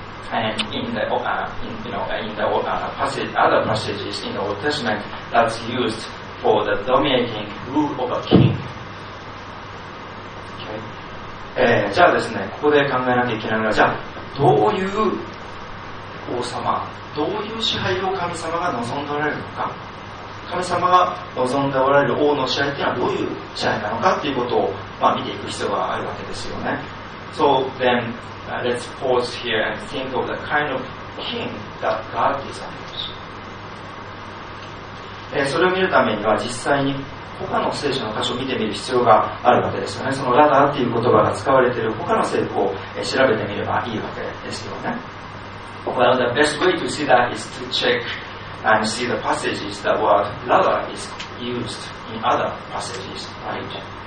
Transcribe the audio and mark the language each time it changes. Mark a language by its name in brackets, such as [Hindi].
[English] And other passages in the Old Testament, that's used for the dominating rule of a king. Okay. [Japanese] じゃあですね、ここで考えなきゃいけないのは、じゃあどういう王様、どういう支配を神様が望んでおられるのか。神様が望んでおられる王の支配というのはどういう支配なのかということを、見ていく必要があるわけですよね。 [English] So then, let's pause here and think of the kind of king that God desires. [Japanese] それを見るためには実際に他の聖書の箇所を見てみる必要があるわけですよね。そのラダーという言葉が使われている他の聖書を調べてみればいいわけですよね。 [English] Well, the best way to see that is to checkand see the passages the word Radha is used in other passages, right?